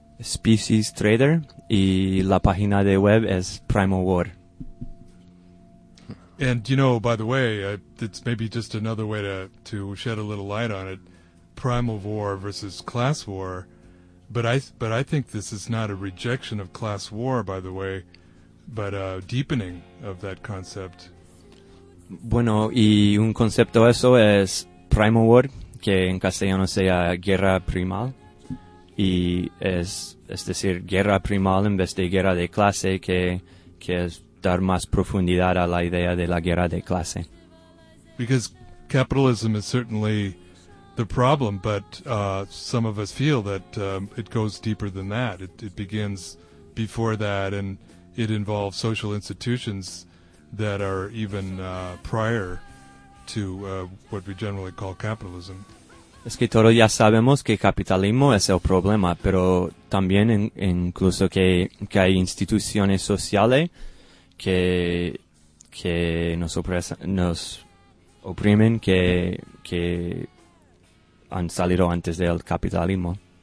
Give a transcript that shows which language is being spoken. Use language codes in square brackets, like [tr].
[es] Species Trader, y la página de web es Primal War. [en] And, you know, by the way, it's maybe just another way to shed a little light on it, primal war versus class war. But I think this is not a rejection of class war, by the way, but a deepening of that concept. [es] Bueno, y un concepto eso es primal war, que en castellano sea guerra primal. Y es decir, guerra primal en vez de guerra de clase, que es... dar más profundidad a la idea de la guerra de clase. [en] Because capitalism is certainly the problem, but some of us feel that it goes deeper than that. It begins before that, and it involves social institutions that are even prior to what we generally call capitalism. [es] Es que todos ya sabemos que capitalismo es el problema, pero también incluso que hay instituciones sociales que nos oprimen, que han salido antes del capitalismo.